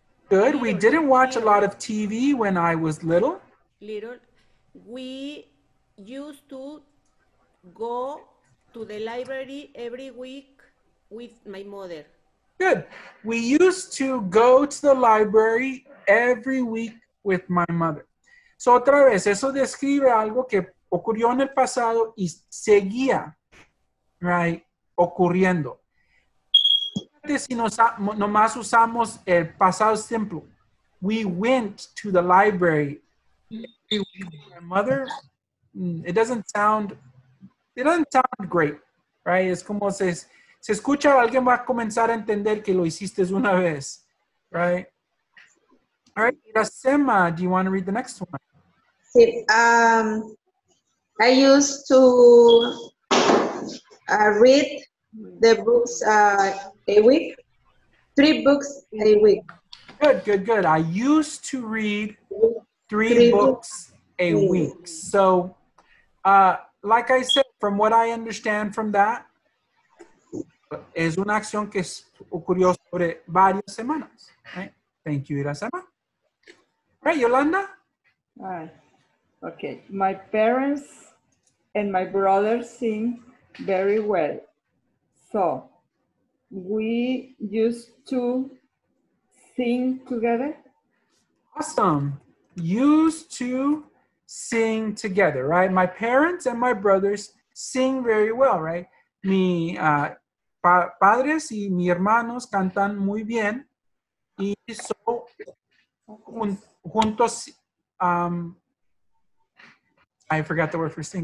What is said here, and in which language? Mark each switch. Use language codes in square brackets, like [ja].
[en] Good. We didn't watch a lot of TV when I was little. Little. We used to go to the library every week with my mother. Good. We used to go to the library every week with my mother. [es] So otra vez, eso describe algo que ocurrió en el pasado y seguía, right, ocurriendo. Si nomás usamos el pasado simple, [en] we went to the library every week with my mother, it doesn't sound great, right? [es] Es como se escucha, alguien va a comenzar a entender que lo hiciste una vez, right? [en] All right, Iracema, do you want to read the next one? Sí, I used to read the books a week, 3 books a week. Good, good, good. I used to read three books a week. So, like I said, from what I understand from that, [es] es una acción que ocurrió sobre varias semanas. [en] Right? Thank you, Iracema. Right, Yolanda? Okay. My parents and my brother sing very well. So, we used to sing together. Awesome. Used to sing together, right? My parents and my brothers sing very well, right? [es] Mi padres y mi hermanos cantan muy bien. [en] Y so, juntos, I forgot the word for sing.